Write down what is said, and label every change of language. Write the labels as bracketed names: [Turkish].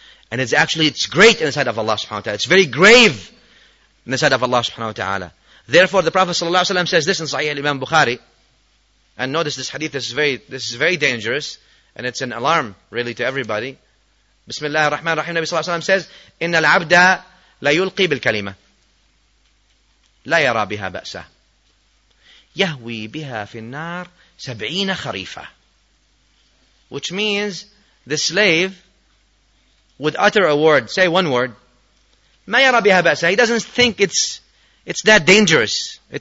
[English] And it's great in the sight of Allah subhanahu wa ta'ala. It's very grave in the sight of Allah subhanahu wa ta'ala. Therefore the Prophet sallallahu alayhi wa sallam says this in Sahih al-Imam Bukhari. And notice this hadith, this is very dangerous, and it's an alarm really to everybody. [Arabic] Bismillah ar-Rahman ar-Rahim, Nabi sallallahu alayhi wa sallam says, إِنَّ الْعَبْدَ لَيُلْقِي بِالْكَلِمَةِ لَا يَرَى بِهَا بَأْسَ يَهْوِي بِهَا فِي النَّارِ سَبْعِينَ خَرِيفًا. [English] Which means, the slave would utter a word, say one word, [Arabic] مَا يَرَى بِهَا بَأْسَ. [English] He doesn't think it's that dangerous.